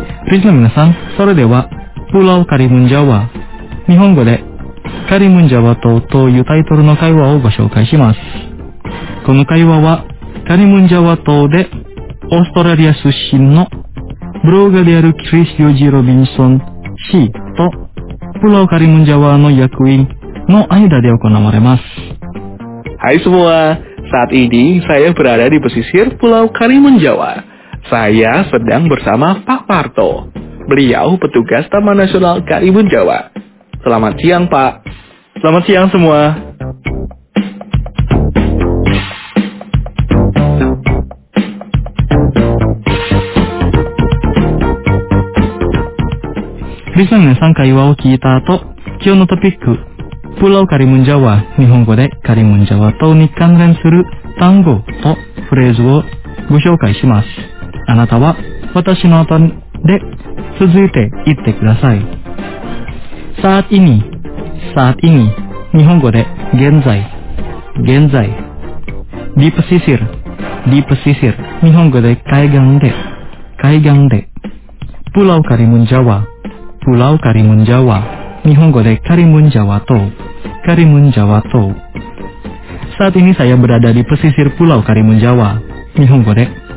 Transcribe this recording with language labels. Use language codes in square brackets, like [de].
[ja] リスナー皆さん、それではプラウカリムンジャワ、日本語でカリムンジャワ島というタイトルの会話をご紹介します。この会話はカリムンジャワ島でオーストラリア出身のブロガーであるクリス・ヨジ・ロビンソン氏とプラウカリムンジャワの役員の間で行われます。 [id] Hai semua, saat ini saya berada di pesisir Pulau Karimun Jawa. Saya sedang bersama Pak Parto. Beliau petugas Taman Nasional Karimun Jawa. Selamat siang, Pak. Selamat siang semua. [ja] リスナー皆さん、会話を聞いた後、今日のトピック、プラウカリムンジャワ、日本語でカリムンジャワ島に関連する単語とフレーズをご紹介します。あなたは私の後で続いて言ってください。さあ、意味、さあ、意味、日本語で現在、現在。ディープシシル、ディープシシル、日本語で海岸で、海岸で。プラウカリムンジャワ、プラウカリムンジャワ、日本語でカリムンジャワ島、カリムンジャワ島。 [id] さあ、ini saya berada di pesisir Pulau Karimun Jawa, 日本語で。